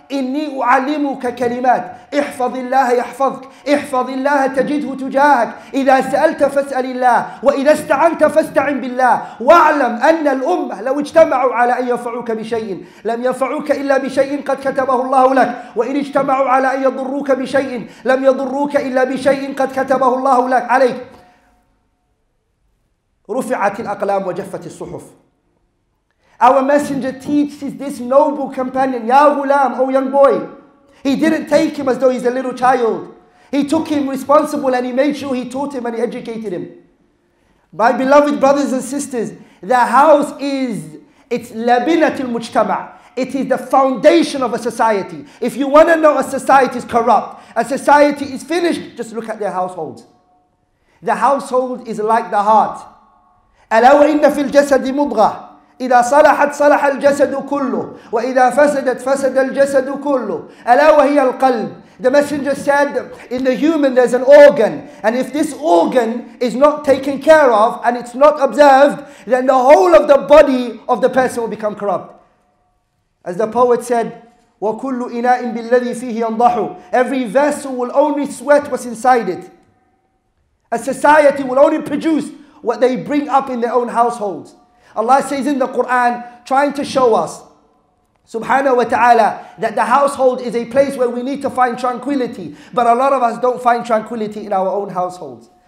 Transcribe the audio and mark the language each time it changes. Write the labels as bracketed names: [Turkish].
[Arabic] إني أعلمك كلمات احفظ الله يحفظك احفظ الله تجده تجاهك إذا سألت فاسأل الله وإذا استعنت فاستعن بالله واعلم أن الأمة لو اجتمعوا على أن يفعوك بشيء لم يفعوك إلا بشيء قد كتبه الله لك وإن اجتمعوا على أن يضروك بشيء لم يضروك إلا بشيء قد كتبه الله لك عليك رفعت الأقلام وجفت الصحف. [English] Our messenger teaches this noble companion, [Arabic] Ya Ghulam, [English] oh young boy. He didn't take him as though he's a little child. He took him responsible and he made sure he taught him and he educated him. My beloved brothers and sisters, the house is, it's [Arabic] labinatul mujtama. [English] It is the foundation of a society. If you want to know a society is corrupt, a society is finished, just look at their household. The household is like the heart. [Arabic] Ala wa inna fil jasadi mudghah. إذا صلحت صلح الجسد كله وإذا فسدت فسد الجسد كله ألا وهي القلب. [English] The messenger said, in the human there's an organ, and if this organ is not taken care of and it's not observed, then the whole of the body of the person will become corrupt. As the poet said, [Arabic] وكل إناء بالذي فيه ينضح. [English] Every vessel will only sweat what's inside it. A society will only produce what they bring up in their own households. Allah says in the Quran, trying to show us, [Arabic] subhanahu wa ta'ala, [English] that the household is a place where we need to find tranquility. But a lot of us don't find tranquility in our own households.